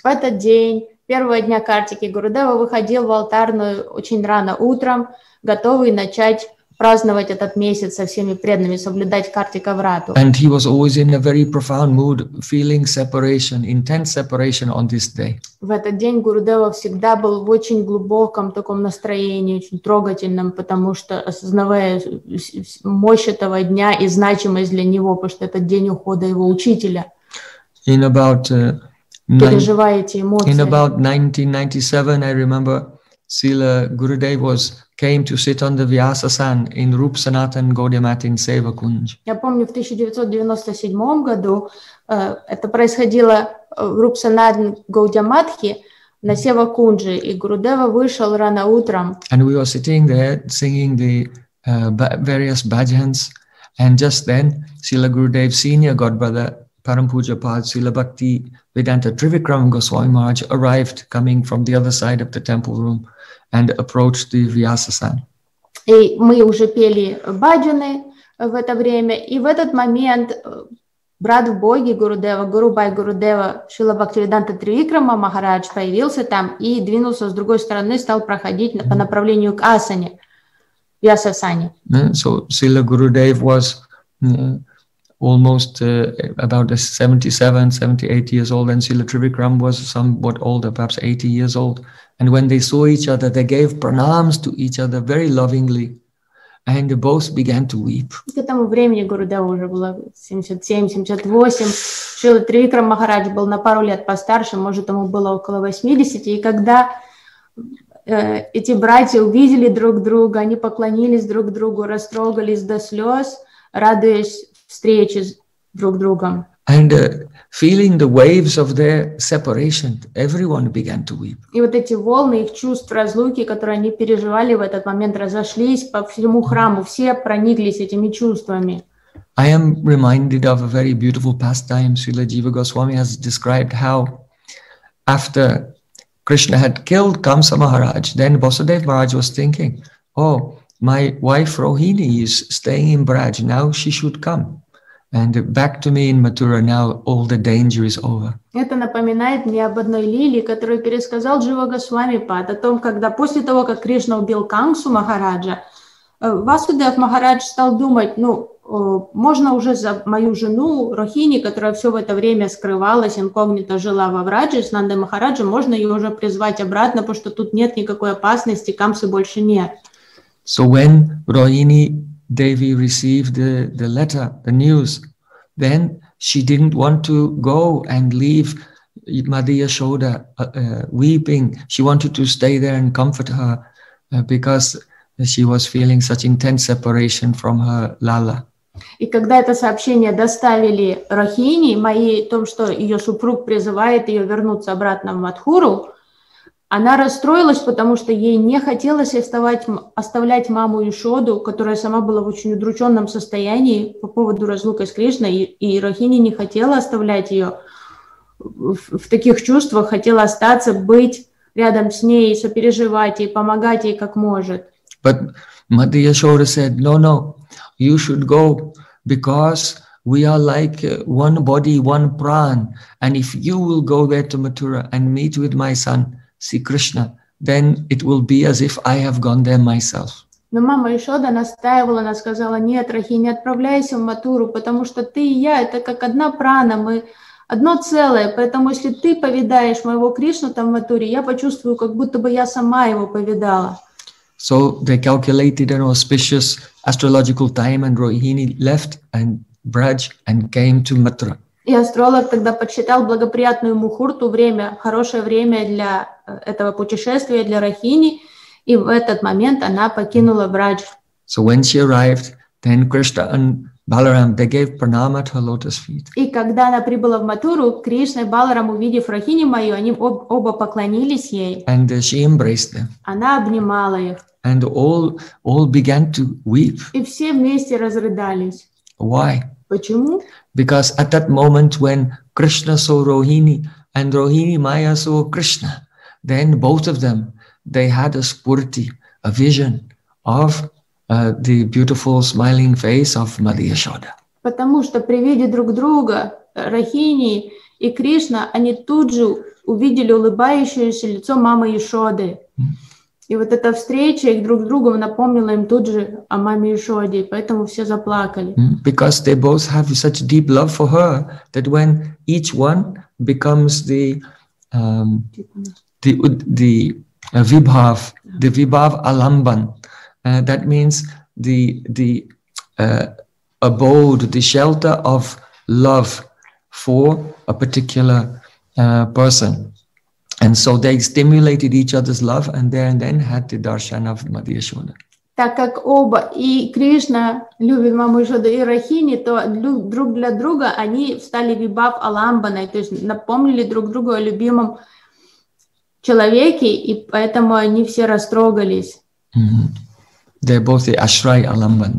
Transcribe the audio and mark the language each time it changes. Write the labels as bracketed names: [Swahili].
[Russian] В этот день, первого дня Картики, Гурудева выходил в алтарную очень рано утром, готовый начать праздновать этот месяц со всеми преданными, соблюдать Картика-Врату. [English] And he was always in a very profound mood, feeling separation, intense separation on this day. [Russian] В этот день Гурудева всегда был в очень глубоком таком настроении, очень трогательном, потому что осознавая мощь этого дня и значимость для него, потому что этот день ухода его учителя. [English] In about, [Russian] переживаете эмоции. [English] In about 1997, I remember, Srila Gurudev was came to sit on the Vyasasan in Rup Sanatan Gaudiya Math in Seva Kunj. [Russian] Я помню, в 1997 году это происходило в Rup Sanatan Gaudiya Math на Seva Kunj, и Гурудева вышел рано утром. [English] And we were sitting there singing the various bhajans, and just then Srila Gurudev senior godbrother Parampuja Pad Srila Bhakti Vedanta Trivikram Goswami Maharaj arrived coming from the other side of the temple room and approached the Vyasasan. [Russian] И мы уже пели баджаны в это время, и в этот момент брат в боге Гурудева, Гуру Бай Гурудева, Шрила Бхактивиданта Тривикрама Махарадж появился там и двинулся с другой стороны, стал проходить по направлению к асане, Вьясасане. [English] So Srila Gurudev was almost about 77, 78 years old, and Srila Trivikram was somewhat older, perhaps 80 years old. And when they saw each other, they gave pranams to each other very lovingly, and both began to weep. [Russian] К этому времени Гурудева уже было 77-78. Шрила Тривикрам Махарадж был на пару лет постарше, может, ему было около 80. И когда эти братья увидели друг друга, они поклонились друг другу, растрогались до слез, радуясь встречи друг с другом. [English] And feeling the waves of their separation, everyone began to weep. [Russian] И вот эти волны их чувств разлуки, которые они переживали в этот момент, разошлись по всему храму. Все прониклись этими чувствами. [English] I am reminded of a very beautiful pastime. Srila Jiva Goswami has described how after Krishna had killed Kamsa Maharaj, then Vasudev Maharaj was thinking, oh, my wife Rohini is staying in Braj. Now she should come and back to me in Mathura. Now all the danger is over. [Russian] Это напоминает мне об одной лилии, которую пересказал Джива Госвами Пад, о том, когда после того, как Кришна убил Кангсу Махараджа, Васудев Махарадж стал думать, ну, можно уже за мою жену Рохини, которая все в это время скрывалась, инкогнито жила во Враджи с Нандой Махараджем, можно ее уже призвать обратно, потому что тут нет никакой опасности, Камсы больше нет. [English] So when Rohini Devi received the letter, the news, then she didn't want to go and leave Madhi Yashoda weeping. She wanted to stay there and comfort her because she was feeling such intense separation from her Lala. [Russian] И когда это сообщение доставили Рохини, Майи, о том, что ее супруг призывает ее вернуться обратно в Матхуру, она расстроилась, потому что ей не хотелось оставлять маму Ишоду, которая сама была в очень удрученном состоянии по поводу разлуки с Кришной, и Рохини не хотела оставлять ее в таких чувствах, хотела остаться, быть рядом с ней, сопереживать ей, помогать ей как может. [English] But Madhi Yashoda said, no, no, you should go, because we are like one body, one pran, and if you will go there to Mathura and meet with my son, see Krishna, then it will be as if I have gone there myself. [Russian] Но мама Ишода настаивала, она сказала, нет, Рахини, не отправляйся в Матуру, потому что ты и я, это как одна прана, мы одно целое, поэтому если ты повидаешь моего Кришну там в Матуре, я почувствую, как будто бы я сама его повидала. [English] So they calculated an auspicious astrological time, and Rohini left and Braj and came to Mathura. [Russian] И астролог тогда подсчитал благоприятную мухурту, время, хорошее время для этого путешествия, для Рахини, и в этот момент она покинула Брадж. [English] So when she arrived, then Krishna and Balaram, they gave pranam at her lotus feet. [Russian] И когда она прибыла в Матуру, Кришна и Баларам, увидев Рахини мою, они оба поклонились ей. [English] And she embraced them. [Russian] Она обнимала их. [English] And all began to weep. [Russian] И все вместе разрыдались. [English] Why? [Russian] Почему? [English] Because at that moment when Krishna saw Rohini and Rohini Maya saw Krishna, then both of them, they had a spurti, a vision of the beautiful smiling face of Mother Yashoda. [Russian] Потому что при виде друг друга Рахини и Кришна, они тут же увидели улыбающееся лицо мамы Яшоды. И вот эта встреча их друг с другом напомнила им тут же о маме Яшоде, поэтому все заплакали. [English] Because they both have such deep love for her that when each one becomes the vibhav alamban, that means the abode, the shelter of love for a particular person. And so they stimulated each other's love and then had the darshan of Mother Yashoda. [Russian] Так как оба, и Кришна любит маму Яшоду и Рахини, то друг для друга они стали вибав аламбаной, то есть напомнили друг другу о любимом человеке, и поэтому они все растрогались. [English] Mm-hmm. They're both the ashray аламбан.